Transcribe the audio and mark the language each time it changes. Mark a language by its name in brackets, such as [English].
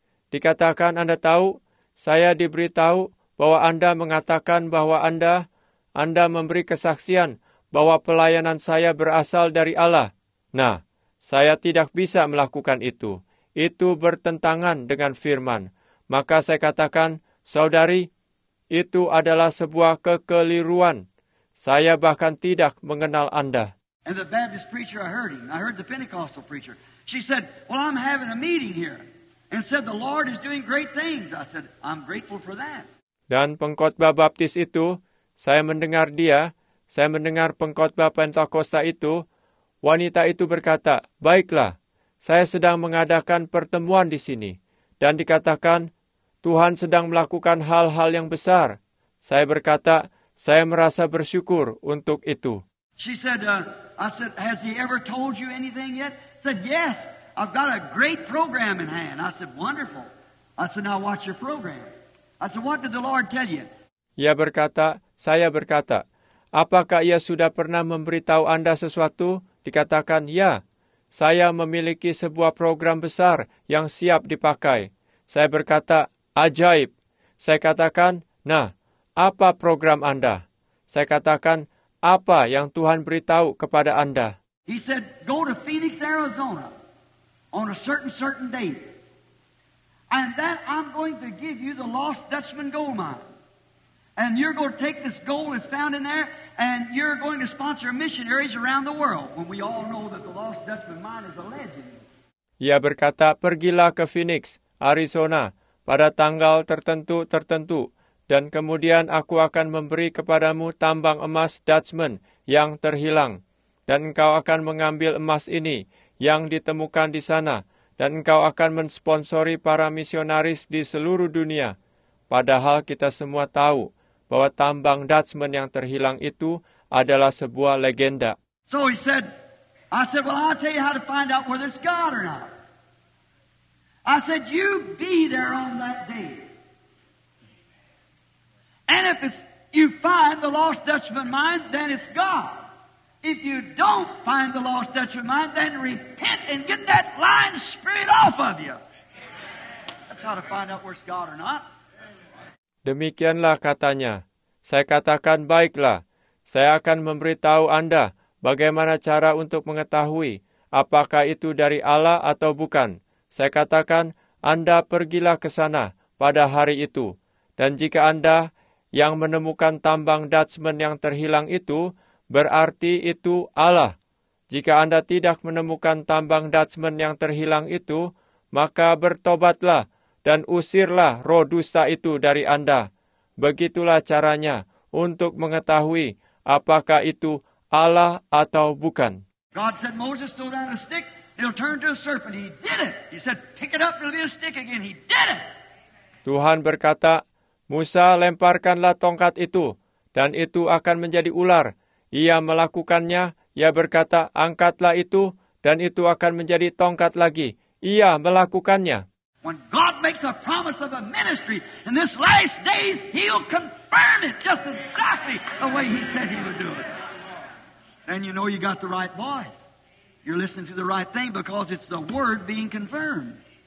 [Indonesian] Dikatakan Anda tahu, saya diberitahu bahwa Anda mengatakan bahwa Anda memberi kesaksian bahwa pelayanan saya berasal dari Allah. Nah, saya tidak bisa melakukan itu. Itu bertentangan dengan firman. Maka saya katakan, Saudari, itu adalah sebuah kekeliruan. Saya bahkan tidak mengenal Anda. [English] And the Baptist preacher, I heard him. I heard the Pentecostal preacher. She said, well, I'm having a meeting here. And said, the Lord is doing great things. I said, I'm grateful for that. [Indonesian] Dan pengkhotbah Baptis itu, saya mendengar pengkhotbah Pentakosta itu, wanita itu berkata, baiklah, saya sedang mengadakan pertemuan di sini. Dan dikatakan, Tuhan sedang melakukan hal-hal yang besar. Saya berkata, saya merasa bersyukur untuk itu. [English] She said, I said, has he ever told you anything yet? I said, yes, I've got a great program in hand. I said, wonderful. I said, now watch your program. I said, what did the Lord tell you? [Indonesian] Ia berkata, saya berkata, apakah ia sudah pernah memberitahu Anda sesuatu? Dikatakan, ya, saya memiliki sebuah program besar yang siap dipakai. Saya berkata, ajaib. Saya katakan, nah, apa program Anda? Saya katakan, apa yang Tuhan beritahu kepada Anda? [English] He said, go to Phoenix, Arizona on a certain date. And that I'm going to give you the Lost Dutchman gold mine. And you're going to take this gold that's found in there and you're going to sponsor missionaries around the world. When we all know that the Lost Dutchman mine is a legend. [Indonesian] Ia berkata, pergilah ke Phoenix, Arizona pada tanggal tertentu. Dan kemudian aku akan memberi kepadamu tambang emas Dutchman yang terhilang. Dan engkau akan mengambil emas ini yang ditemukan di sana. Dan engkau akan mensponsori para misionaris di seluruh dunia. Padahal kita semua tahu bahwa tambang Dutchman yang terhilang itu adalah sebuah legenda. [English] So he said, I said, well, I'll tell you how to find out whether it's God or not. I said, you be there on that day. And if it's, you find the Lost Dutchman mine, then it's God. If you don't find the Lost Dutchman mine, then repent and get that lying spirit off of you. That's how to find out where it's God or not. [Indonesian] Demikianlah katanya. Saya katakan, baiklah. Saya akan memberitahu Anda bagaimana cara untuk mengetahui apakah itu dari Allah atau bukan. Saya katakan, Anda pergilah ke sana pada hari itu. Dan jika Anda yang menemukan tambang Dutchman yang terhilang itu, berarti itu Allah. Jika Anda tidak menemukan tambang Dutchman yang terhilang itu, maka bertobatlah dan usirlah roh dusta itu dari Anda. Begitulah caranya untuk mengetahui apakah itu Allah atau bukan. [English] God said Moses threw down a stick, it'll turn to a serpent. He did it. He said, pick it up, it'll be a stick again. He did it. [Indonesian] Tuhan berkata, Musa, lemparkanlah tongkat itu, dan itu akan menjadi ular. Ia melakukannya, ia berkata, angkatlah itu, dan itu akan menjadi tongkat lagi. Ia melakukannya. [English] When God makes a promise of a ministry, in this last days, he'll confirm it just exactly the way he said he would do it. Then you know you got the right voice. You're listening to the right thing because it's the word being confirmed.